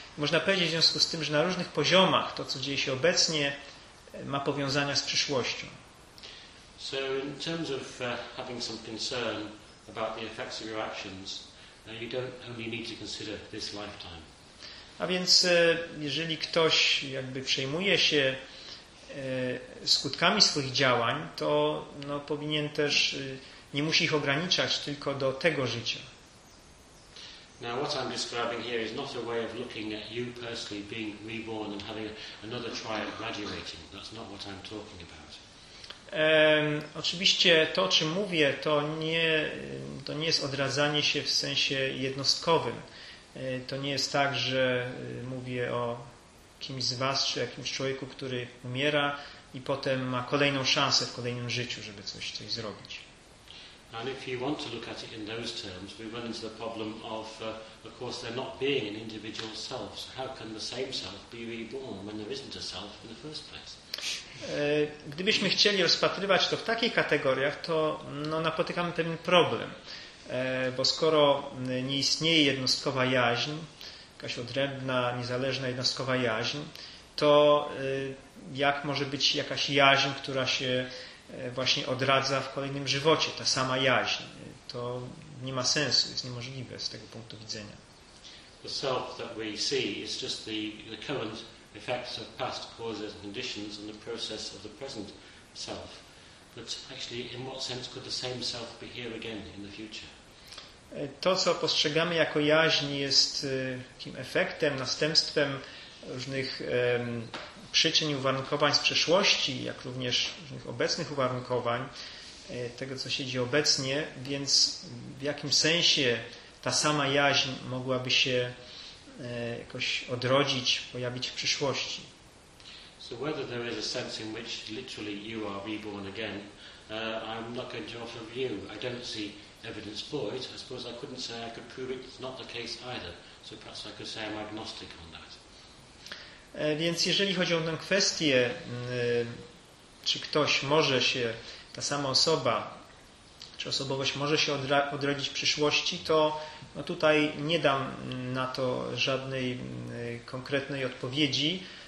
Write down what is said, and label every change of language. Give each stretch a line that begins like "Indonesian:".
Polish: Można powiedzieć w związku z tym, że na różnych poziomach to, co dzieje się obecnie, ma powiązania z przyszłością.
English: So in terms of having some concern about the effects of your actions, you don't only need to consider this lifetime.
Polish: A więc jeżeli ktoś jakby przejmuje się skutkami swoich działań, to no, powinien też nie musi ich ograniczać tylko do tego życia.
English: Now what I'm describing here is not a way of looking at you personally being reborn and having another try at graduating. That's not what I'm talking about.
Polish: Oczywiście to, o czym mówię, to nie jest odradzanie się w sensie jednostkowym. To nie jest tak, że mówię o kimś z was czy jakimś człowieku, który umiera i potem ma kolejną szansę w kolejnym życiu, żeby coś zrobić.
English: And if you want to look at it in those terms, we run into the problem of course, there not being an individual self. So how can the same self be reborn when there isn't a self in the first place?
Polish: Gdybyśmy chcieli rozpatrywać to w takich kategoriach, to no, napotykamy pewien problem. Bo skoro nie istnieje jednostkowa jaźń, jakaś odrębna, niezależna jednostkowa jaźń, to jak może być jakaś jaźń, która się właśnie odradza w kolejnym żywocie, ta sama jaźń? To nie ma sensu, jest niemożliwe z tego punktu widzenia.
English: The self that we see is just the current effects of past causes and conditions and the process of the present self. But actually, in what sense could the same self be here again in the future?
Polish: To, co postrzegamy jako jaźń, jest takim efektem, następstwem różnych przyczyn i uwarunkowań z przeszłości, jak również różnych obecnych uwarunkowań tego, co się dzieje obecnie, więc w jakim sensie ta sama jaźń mogłaby się jakoś odrodzić, pojawić w przyszłości.
English: So whether there is a sense in which literally you are reborn again, I'm not going to offer you. I don't see evidence for it. I suppose I couldn't say I could prove it's not the case either. So perhaps I could say I'm agnostic on that.
Polish: Więc jeżeli chodzi o tę kwestię, czy ktoś może się, ta sama osoba, czy osobowość może się odrodzić w przyszłości, to no tutaj nie dam na to żadnej konkretnej odpowiedzi.